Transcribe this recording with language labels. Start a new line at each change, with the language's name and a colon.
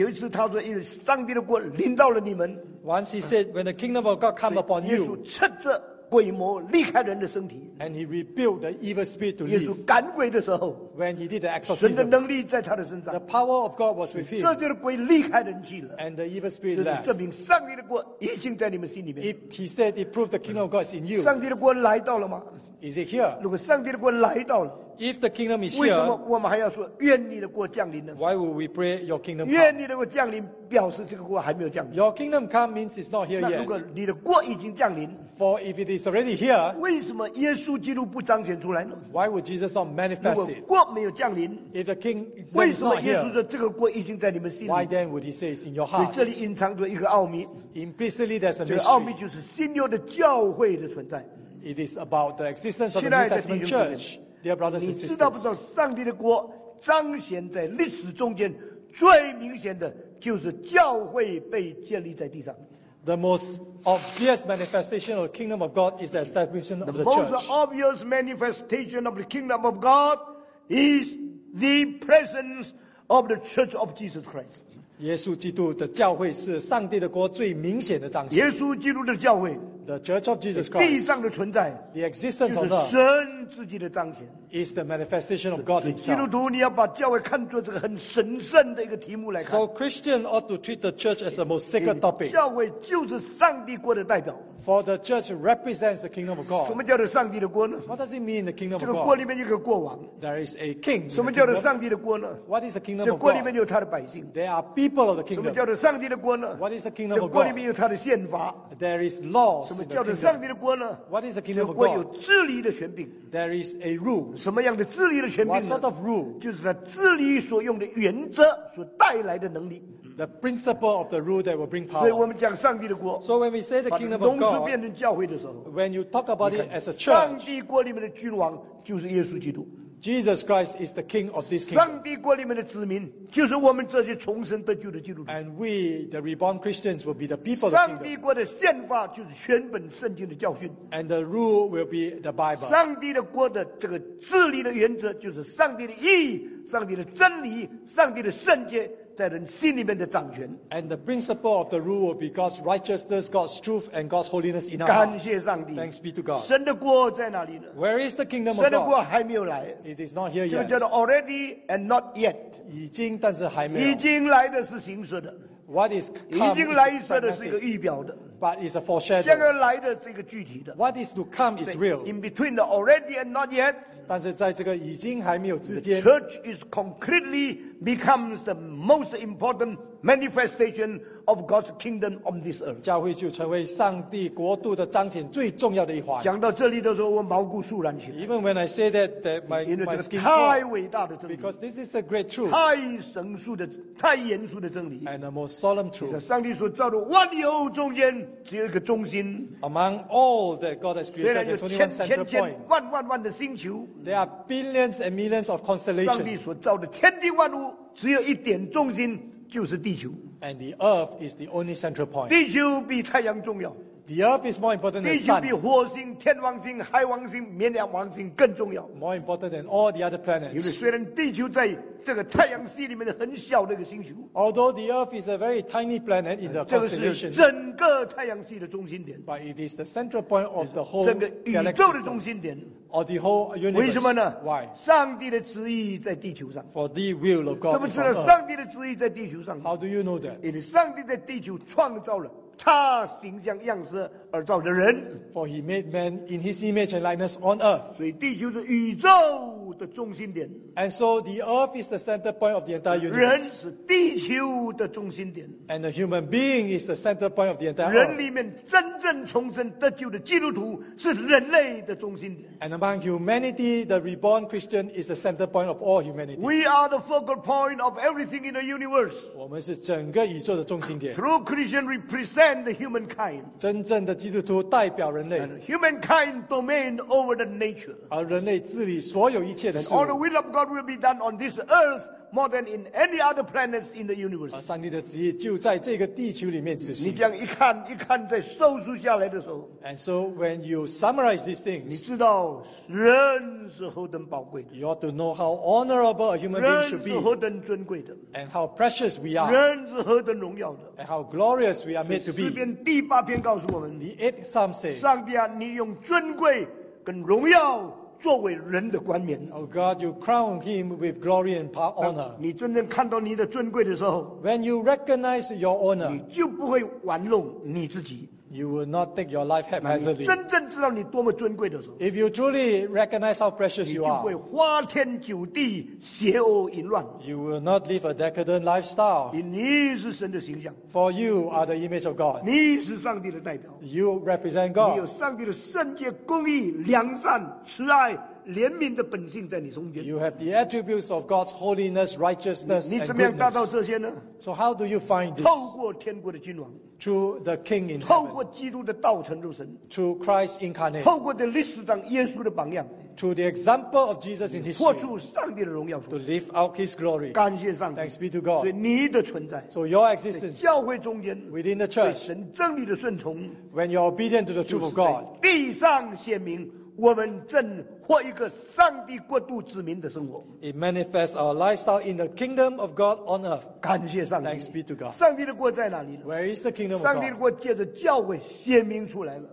Chinese: 有一次他说，因为上帝的国临到了你们。
English: Once he said, when the kingdom of God come upon you.
Chinese: 耶稣斥责鬼魔离开人的身体
English: ，and he rebuilt the evil spirit to leave.
Chinese: 耶稣赶鬼的时候
English: ，when he did the exorcism,
Chinese: 神的能力在他的身上
English: ，the power of God was with him.
Chinese: 这就是鬼离开人去了
English: ，and the evil spirit left.
Chinese: 就是证明上帝的国已经在你们心里面。
English: He said it proved the kingdom of God is in you.
Chinese: 上帝的国来到了吗
English: ？Is it here?
Chinese: 如果上帝的国来到了。
English: If the kingdom is here,
Chinese: 为什么我们还要说愿你的国降临呢
English: ？Why would we pray your kingdom come?
Chinese: 愿你的国降临，表示这个国还没有降临。
English: Your kingdom come means it's not here yet.
Chinese: 那如果你的国已经降临
English: ，For if it is already here,
Chinese: 为什么耶稣基督不彰显出来呢
English: ？Why would Jesus not manifest it?
Chinese: 如果国没有降临
English: ，If the king
Chinese: 为什么耶稣说这个国已经在你们心里
English: ？Why then would he say it's in your heart?
Chinese: 这里隐藏着一个奥秘
English: ，Implicitly there's a mystery.
Chinese: 这个奥秘就是新约的教会的存在。
English: It is about the existence of the New Testament church. Dear brothers and sisters,
Chinese: 你知道不知道上帝的国彰显在历史中间最明显的就是教会被建立在地上。
English: The most obvious manifestation of the kingdom of God is the establishment of the church. The most obvious manifestation of the kingdom of God is the presence of the church of Jesus Christ.
Chinese: 耶稣基督的教会是上帝的国最明显的彰显。耶稣基督的教会。
English: The Church of Jesus Christ,
Chinese: 地上的存在
English: the existence
Chinese: 就是神自己的彰显
English: is the manifestation of God himself.
Chinese: 基督徒你要把教会看作这个很神圣的一个题目来看
English: So Christian ought to treat the church as the most sacred topic.
Chinese: 教会就是上帝国的代表
English: For the church represents the kingdom of God.
Chinese: 什么叫做上帝的国呢
English: What does it mean the kingdom of God?
Chinese: 这个国里面有一个国王
English: There is a king.
Chinese: 什么叫做上帝的国呢
English: What is the kingdom of God?
Chinese: 这国里面有他的百姓
English: There are people of the kingdom.
Chinese: 什么叫做上帝的国呢
English: What is the kingdom of God?
Chinese: 这国里面有他的宪法
English: There is laws.
Chinese: 们叫做上帝的国呢？
English: What is the kingdom of God?
Chinese: 这个国有治理的权柄。
English: There is a rule.
Chinese: 什么样的治理的权柄呢？
English: What sort of rule?
Chinese: 就是他治理所用的原则所带来的能力。
English: The principle of the rule that will bring power.
Chinese: 所以我们讲上帝的国。
English: So when we say the kingdom of God,
Chinese: 把农族变成教会的时候，
English: when you talk about it as a church,
Chinese: 上帝国里面的君王就是耶稣基督。
English: Jesus Christ is the King of this kingdom.
Chinese: 上帝国里面的子民就是我们这些重生得救的基督徒。
English: And we, the reborn Christians, will be the people of the kingdom.
Chinese: 上帝国的宪法就是全本圣经的教训。
English: And the rule will be the Bible.
Chinese: 上帝的国的这个治理的原则就是上帝的义、上帝的真理、上帝的圣洁在人心里面的掌权。
English: And the principle of the rule will be God's righteousness, God's truth, and God's holiness in our hearts.
Chinese: 感谢上帝。
English: Thanks be to God.
Chinese: 神的国在哪里呢？
English: Where is the kingdom of God?
Chinese: 神的国还没有来。
English: It is not here yet.
Chinese: 就叫做
English: already and not yet.
Chinese: 已经，但是还没有。已经来的是形式的。
English: What is come?
Chinese: 已经来说的是一个预表的。
English: But it's a foreshadow.
Chinese: 将要来的是一个具体的。
English: What is to come is real. In between the already and not yet.
Chinese: 但是在这个已经还没有之间。
English: The church is concretely becomes the most important manifestation of God's kingdom on this earth.
Chinese: 教会就成为上帝国度的彰显最重要的一环。讲到这里的时候，我毛骨悚然起来。
English: Even when I say that my skin.
Chinese: 太伟大的真理。
English: Because this is a great truth.
Chinese: 太神速的、太严肃的真理。
English: And a more solemn truth.
Chinese: 上帝所造的万有中间。只有一个中心。
English: Among all that God has created, there's only one center point.
Chinese: 千千万万万的星球。
English: There are billions and millions of constellations.
Chinese: 上帝所造的天地万物，只有一点中心，就是地球。
English: And the earth is the only central point.
Chinese: 地球比太阳重要。
English: The earth is more important than the sun.
Chinese: 地球比火星、天王星、海王星、绵羊王星更重要。
English: More important than all the other planets.
Chinese: 因为虽然地球在这个太阳系里面的很小的一个星球。
English: Although the earth is a very tiny planet in the constellation.
Chinese: 这个是整个太阳系的中心点。
English: But it is the central point of the whole galaxy.
Chinese: 整个宇宙的中心点。
English: Or the whole universe.
Chinese: 为什么呢？
English: Why?
Chinese: 上帝的旨意在地球上。
English: For the will of God.
Chinese: 怎么知道上帝的旨意在地球上？
English: How do you know that?
Chinese: 因为上帝在地球创造了他形象样式而造的人。
English: For he made man in his image and likeness on earth.
Chinese: 所以地球是宇宙的中心点。
English: And so the earth is the center point of the entire universe.
Chinese: 人是地球的中心点。
English: And the human being is the center point of the entire earth.
Chinese: 人里面真正重生得救的基督徒是人类的中心点。
English: And among humanity, the reborn Christian is the center point of all humanity. We are the focal point of everything in the universe.
Chinese: 我们是整个宇宙的中心点。
English: True Christian represent the humankind.
Chinese: 真正的基督徒代表人类。
English: And humankind domain over the nature.
Chinese: 而人类治理所有一切的事物。
English: And all the will of God will be done on this earth. More than in any other planets in the universe.
Chinese: 上帝的旨意就在这个地球里面执行。你这样一看一看，在收束下来的时候。
English: And so when you summarize these things,
Chinese: 你知道人是何等宝贵的。
English: You ought to know how honorable a human being should be.
Chinese: 人是何等尊贵的。
English: And how precious we are.
Chinese: 人是何等荣耀的。
English: And how glorious we are made to be.
Chinese: 诗篇第八篇告诉我们。
English: The eighth psalm says,
Chinese: 上帝啊，你用尊贵跟荣耀。作为人的冠冕。
English: Oh God, you crown him with glory and honor.
Chinese: 你真正看到你的尊贵的时候，
English: When you recognize your honor,
Chinese: 你就不会玩弄你自己。
English: You will not take your life haphazardly.
Chinese: 真正知道你多么尊贵的时候，
English: If you truly recognize how precious you are,
Chinese: 你就会花天酒地，邪恶淫乱。
English: You will not live a decadent lifestyle.
Chinese: 你是神的形象。
English: For you are the image of God.
Chinese: 你是上帝的代表。
English: You represent God.
Chinese: 你有上帝的圣洁、公义、良善、慈爱。怜悯的本性在你中间。
English: You have the attributes of God's holiness, righteousness, and goodness.
Chinese: 你怎么样达到这些呢？
English: So how do you find this?
Chinese: 透过天国的君王。
English: Through the King in heaven.
Chinese: 透过基督的道成肉身。
English: Through Christ incarnate.
Chinese: 透过历史上耶稣的榜样。
English: Through the example of Jesus in history.
Chinese: 活出上帝的荣耀。
English: To live out His glory.
Chinese: 感谢上帝。
English: Thanks be to God.
Chinese: 所以你的存在。
English: So your existence.
Chinese: 在教会中间。
English: Within the church.
Chinese: 对神真理的顺从。
English: When you're obedient to the truth of God.
Chinese: 地上显明。我们正活一个上帝国度子民的生活。
English: It manifests our lifestyle in the kingdom of God on earth.
Chinese: 感谢上帝。
English: Thanks be to God.
Chinese: 上帝的国在哪里呢？
English: Where is the kingdom of God?
Chinese: 上帝的国借着教会显明出来了。